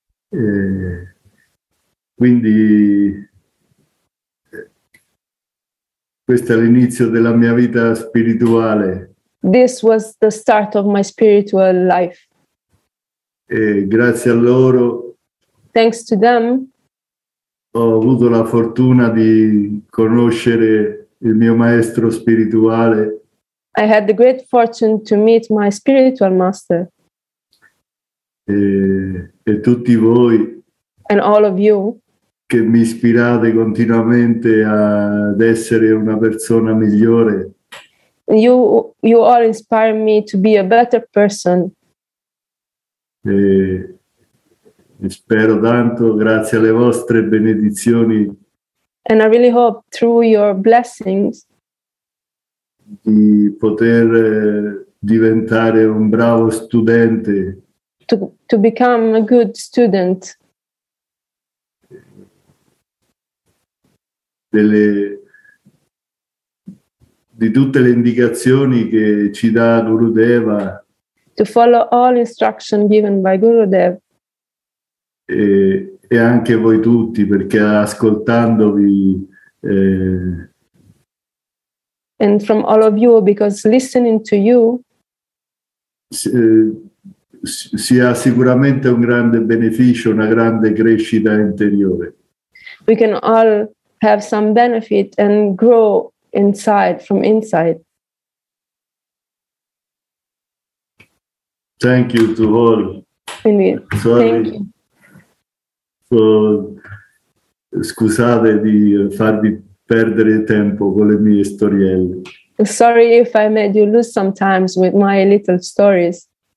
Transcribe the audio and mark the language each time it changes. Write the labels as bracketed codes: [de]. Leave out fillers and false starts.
[it] E quindi, questo è l'inizio della mia vita spirituale. [en] This was the start of my spiritual life. [it] E grazie a loro. [en] Thanks to them. [it] Ho avuto la fortuna di conoscere il mio maestro spirituale. [en] I had the great fortune to meet my spiritual master. [it] E tutti voi. [en] And all of you. [it] Che mi ispirate continuamente ad essere una persona migliore. [en] You all inspire me to be a better person. [it] E spero tanto, grazie alle vostre benedizioni. [en] And I really hope through your blessings [it] di poter diventare un bravo studente. [en] To become a good student. [it] Di tutte le indicazioni che ci dà Gurudeva. [en] To follow all instruction given by Gurudev. [it] E anche voi tutti, perché ascoltandovi. [en] And from all of you, because listening to you. [it] Si ha sicuramente un grande beneficio, una grande crescita interiore. [en] We can all have some benefit and grow inside, from inside. Thank you to all. Sorry. Thank you. [it] Scusate di farvi perdere tempo con le mie storielle. [en] Sorry if I made you lose some time with my little stories.